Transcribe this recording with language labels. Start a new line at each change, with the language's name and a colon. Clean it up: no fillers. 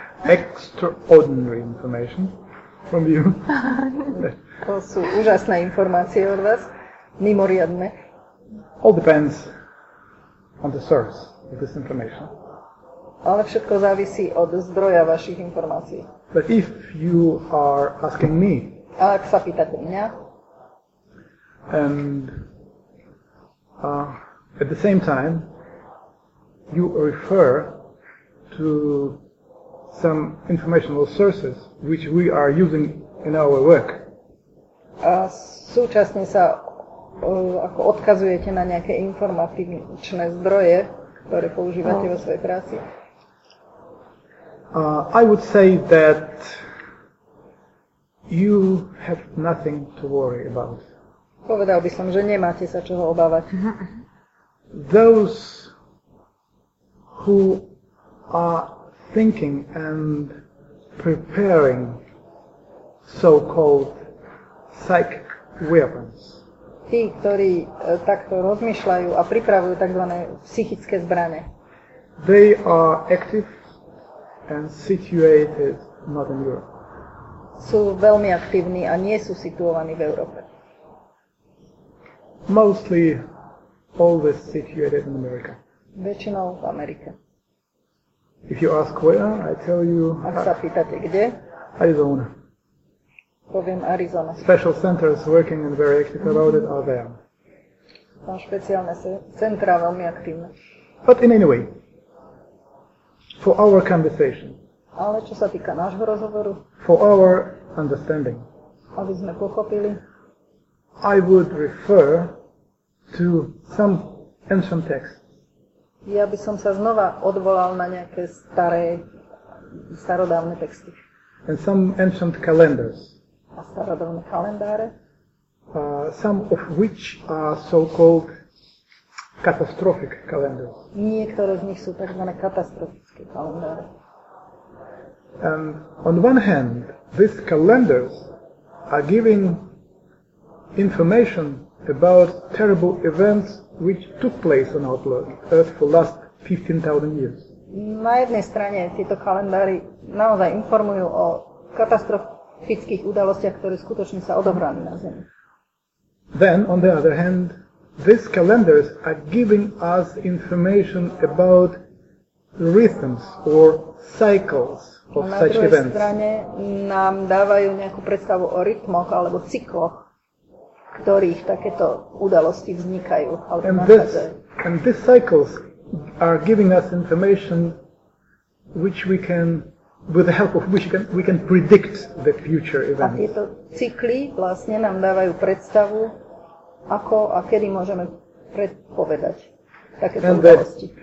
English: Extraordinary information from you.
Czech: To jsou úžasné informace od vás, mimořádné.
English: All depends on the source of this information.
Czech: Ale všechno závisí od zdroja vašich informací.
English: But if you are asking me,
Czech: ale když se pýtáte mě,
English: and at the same time, you refer to some informational sources which we are using in our work.
Slovak: Súčasne sa ako odkazujete na nejaké informatívne zdroje, ktoré používate vo svojej práci.
English: I would say that you have nothing to worry about.
Slovak: Povedal by som, že nemáte sa čoho obávať.
English: Those who are thinking and preparing so-called psychic weapons.
Slovak: Tí, ktorí takto rozmýšľajú a pripravujú takzvané psychické zbrane.
English: They are active and situated not in Europe.
Slovak: Sú veľmi aktívni a nie sú situovaní v Európe.
English: Mostly always situated in America.
Slovak: Väčšinou v Amerike.
English: If you ask where, I tell you...
Slovak: Ak sa pýtate, kde?
English: Arizona.
Slovak: Poviem Arizona.
English: Special centers working and very active about it are there.
Slovak: Tam špeciálne centra veľmi aktívne.
English: But in any way, for our conversation...
Slovak: Ale čo sa týka nášho rozhovoru...
English: For our understanding...
Slovak: Aby sme pochopili...
English: I would refer to some ancient texts.
Slovak: Ja by som sa znova odvolal na nejaké staré, starodávne texty.
English: And some ancient calendars.
Slovak: A starodávne kalendáre.
English: Some of which are so-called catastrophic calendars.
Slovak: Niektoré z nich sú takzvané katastrofické kalendáre.
English: And on one hand, these calendars are giving information about terrible events which took place on our Earth for last 15,000 years.
Slovak: Na jednej strane tieto kalendári naozaj informujú o katastrofických udalostiach, ktoré skutočne sa odohrali na Zemi.
English: Then, on the other hand, these calendars are giving us information about rhythms or cycles of such events.
Slovak: Na druhej strane nám dávajú nejakú predstavu o rytmoch alebo cykloch, ktorých takéto udalosti vznikajú.
English: And these cycles are giving us information which we can, with the help of which we can predict the future events.
Slovak: A tieto cykly vlastne nám dávajú predstavu, ako a kedy môžeme predpovedať takéto udalosti.